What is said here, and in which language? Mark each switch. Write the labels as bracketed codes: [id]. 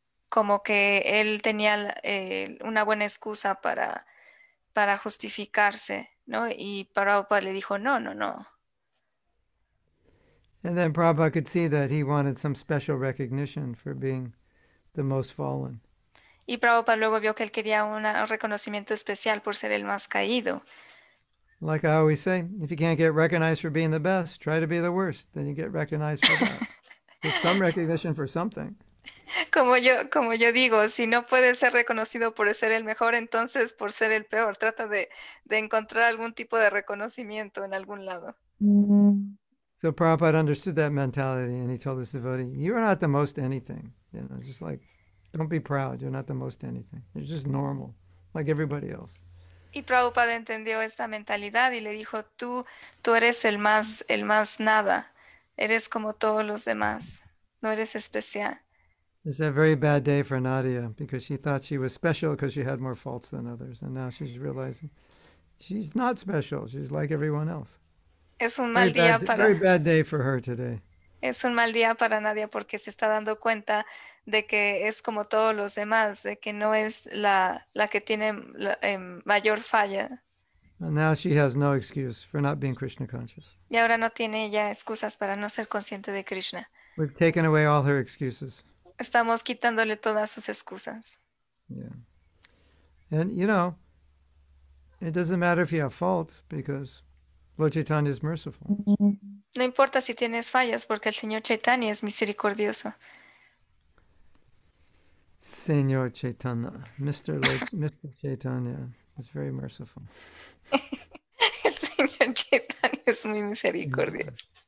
[es] como que él tenía una buena excusa para justificarse, ¿no? Y Prabhupada le dijo, no. [en] And then Prabhupada could see that he wanted some special recognition for being the most fallen. [es] Y Prabhupada luego vio que él quería un reconocimiento especial por ser el más caído. [en] Like I always say, if you can't get recognized for being the best, try to be the worst. Then you get recognized for that. Get some recognition for something. [es] Como yo digo, si no puedes ser reconocido por ser el mejor, entonces por ser el peor. Trata de encontrar algún tipo de reconocimiento en algún lado. [en] So Prabhupada understood that mentality and he told his devotee, you're not the most anything. You know, just like, don't be proud, you're not the most anything. You're just normal, like everybody else. [es] Y Prabhupada entendió esta mentalidad y le dijo, tú eres el más nada. Eres como todos los demás. No eres especial. [en] It's a very bad day for Nadia because she thought she was special because she had more faults than others. And now she's realizing she's not special. She's like everyone else. [es] Es un mal [en] very, [es] día [en] bad, [es] para, [en] very bad day for her today. [es] Es un mal día para Nadia porque se está dando cuenta de que es como todos los demás, de que no es la que tiene mayor falla. [en] And now she has no excuse for not being Krishna conscious. [es] Y ahora no tiene ya excusas para no ser consciente de Krishna. [en] We've taken away all her excuses. [es] Estamos quitándole todas sus excusas. [en] Yeah. And you know, it doesn't matter if you have faults because Lord Chaitanya is merciful. [es] No importa si tienes fallas porque el Señor Chaitanya es misericordioso. [en] Señor Chaitanya, Mr. Chaitanya is very merciful. [es] El Señor Chaitanya es muy misericordioso.